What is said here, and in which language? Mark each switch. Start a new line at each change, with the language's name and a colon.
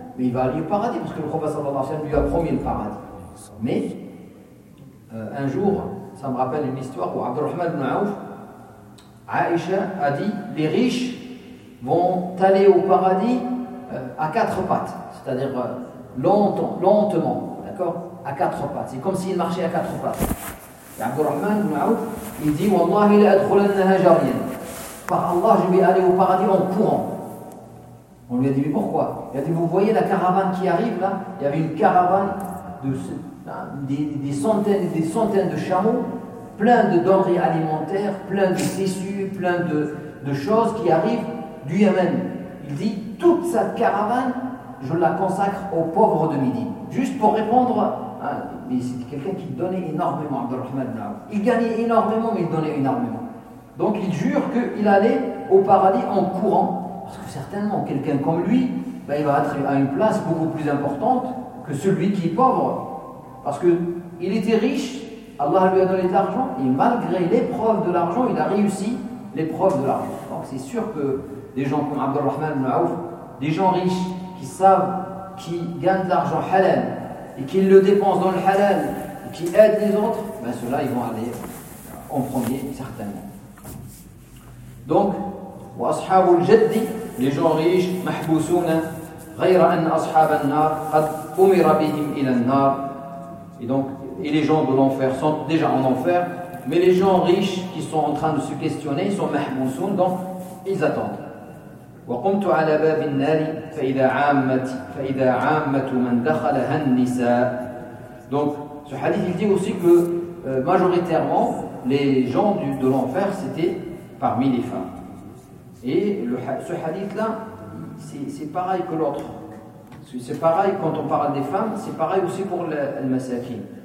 French: Mais il va aller au paradis parce que le prophète sallallahu alayhi wa sallam lui a promis le paradis. Mais un jour, ça me rappelle une histoire où Abdurrahman ibn Auf, Aïcha, a dit: les riches vont aller au paradis à quatre pattes, c'est-à-dire lentement, d'accord, à quatre pattes. C'est comme s'ils marchaient à quatre pattes.
Arabic: عبد الرحمن بن عوف
French: il dit
Arabic: والله لا ادخلنها جاريا.
French: Par Allah, je vais aller au paradis en courant. On lui a dit, mais pourquoi? Il a dit, vous voyez la caravane qui arrive là? Il y avait une caravane de des centaines de chameaux, plein de denrées alimentaires, plein de tissus, plein de choses qui arrivent du Yémen. Il dit, toute cette caravane, je la consacre aux pauvres de Midi. Juste pour répondre, hein, mais c'est quelqu'un qui donnait énormément, Abdurrahman Naouf. Il gagnait énormément, mais il donnait énormément. Donc il jure qu'il allait au paradis en courant. Parce que certainement, quelqu'un comme lui, ben, il va être à une place beaucoup plus importante que celui qui est pauvre. Parce qu'il était riche, Allah lui a donné de l'argent, et malgré l'épreuve de l'argent, il a réussi l'épreuve de l'argent. Donc c'est sûr que des gens comme Abdurrahman ibn Aouf, des gens riches qui savent, qui gagnent de l'argent halal, et qui le dépensent dans le halal, et qui aident les autres, ben, ceux-là, ils vont aller en premier, certainement.
Arabic: Donc, وأصحاب الجد لجوريش محبوسون غير أن أصحاب النار قد أمر بهم إلى النار.
French: Et donc, et les gens de l'enfer sont déjà en enfer, mais les gens riches qui sont en train de se questionner, ils sont محبوسون, donc ils attendent.
Arabic: وقمت على باب النار فإذا عامة من دخلها النساء.
French: Donc, ce hadith il dit aussi que majoritairement les gens de l'enfer c'était parmi les femmes. Et ce hadith-là, c'est pareil que l'autre. C'est pareil quand on parle des femmes, c'est pareil aussi pour al-Masakin.